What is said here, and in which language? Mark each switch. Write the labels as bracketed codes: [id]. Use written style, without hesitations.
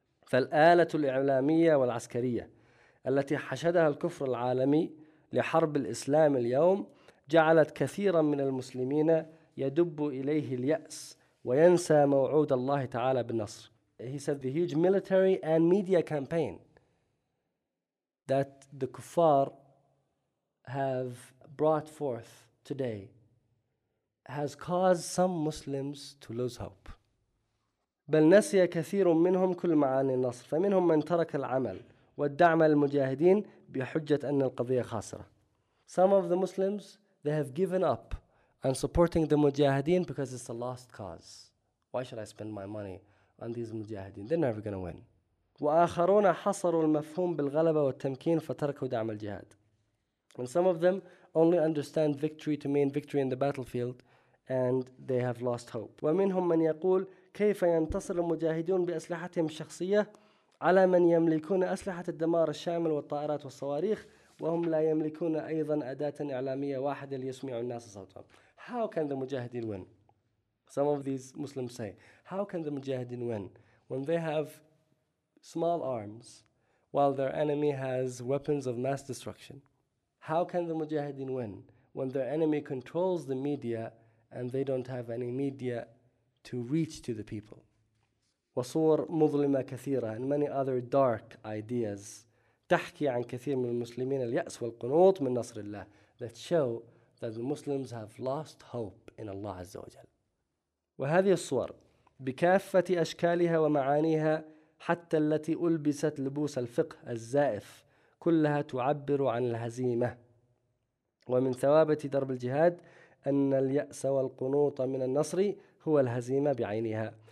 [ar] فَالْآلَةُ الْإِعْلَامِيَّةُ وَالْعَسْكَرِيَّةُ الَّتِي حَشَدَهَا الْكُفْرُ الْعَالَمِيُّ لِحَرْبِ الْإِسْلَامِ الْيَوْمِ جَعَلَتْ كَثِيرًا مِنَ الْمُسْلِمِينَ يَدُبُّ إِلَيْهِ الْيَأْسِ وَيَنْسَى مَوْعُودَ اللَّهِ تَعَالَى بِالنَّصْرِ. [en] He said the huge military and media campaign that the kuffar have brought forth today has caused some Muslims to lose hope. [ar] بل نسي كثير منهم كل معاني النصر فمنهم من ترك العمل والدعم للمجاهدين بحجة أن القضية خاسرة. [en] Some of the Muslims, they have given up on supporting the mujahideen because it's the last cause. Why should I spend my money on these mujahideen? They're never going to win. [ar] وآخرون حصروا المفهوم بالغلبة والتمكين فتركوا دعم الجهاد. [en] And some of them only understand victory to mean victory in the battlefield, and they have lost hope. [ar] ومنهم من يقول كيف ينتصر المجاهدون بأسلحتهم الشخصية على من يملكون أسلحة الدمار الشامل والطائرات والصواريخ وهم لا يملكون أيضا أداة إعلامية واحدة ليسمعوا الناس صوتهم. [en] How can the mujahideen win? Some of these Muslims say, how can the mujahideen win when they have small arms while their enemy has weapons of mass destruction? How can the mujahideen win when their enemy controls the media and they don't have any media to reach to the people? [ar] وصور مظلمة كثيرة [en] and many other dark ideas [ar] تحكي عن كثير من المسلمين اليأس والقنوط من نصر الله, [en] that show that the Muslims have lost hope in Allah [ar] عز وجل. وهذه الصور بكافة أشكالها ومعانيها حتى التي ألبست لبوس الفقه الزائف كلها تعبر عن الهزيمة. ومن ثوابت درب الجهاد أن اليأس والقنوط من النصر هو الهزيمة بعينها.